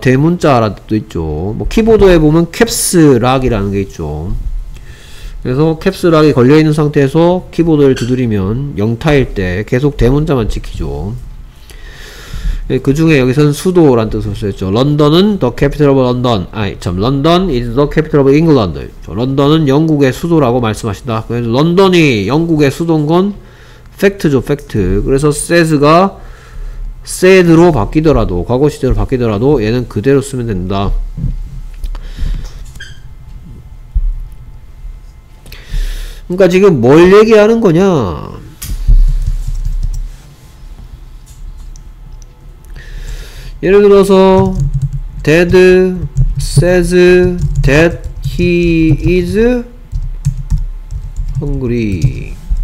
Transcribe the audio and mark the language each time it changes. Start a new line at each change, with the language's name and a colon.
Korean: 대문자라는 뜻도 있죠. 뭐 키보드에 보면 캡스락이라는 게 있죠. 그래서 캡스락이 걸려있는 상태에서 키보드를 두드리면 영타일 때 계속 대문자만 찍히죠. 그 중에 여기서는 수도란 뜻으로 쓰였죠.
English: 런던은 the capital of London.
Korean: 아니, 참,
English: London is the capital of England.
Korean: 런던은 영국의 수도라고 말씀하신다. 그래서 런던이 영국의 수도인 건 팩트죠, 팩트. 그래서 says가 said로 바뀌더라도, 과거 시제로 바뀌더라도 얘는 그대로 쓰면 된다. 그러니까 지금 뭘 얘기하는 거냐? 예를 들어서
English: dead, says, that he is hungry.